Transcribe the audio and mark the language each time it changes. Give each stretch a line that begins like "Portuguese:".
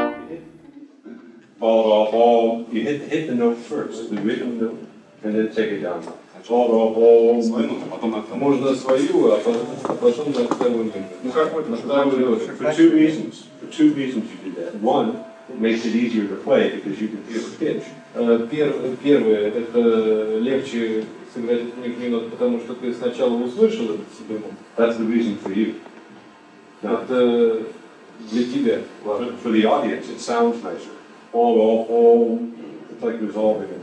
English: You hit the note first, the rhythm note, and then take it down.
Russian: Можно свою, а потом на вторую.
English: For two reasons you did that. One, it makes it easier to play because you can hear the pitch.
Russian: Первое, это легче сыграть нижнюю ноту, потому что ты сначала услышал этот си-бемоль.
English: That's the reason for you.
Russian: No. Это для тебя.
English: Well, for the audience, it sounds nicer. All. It's like resolving it.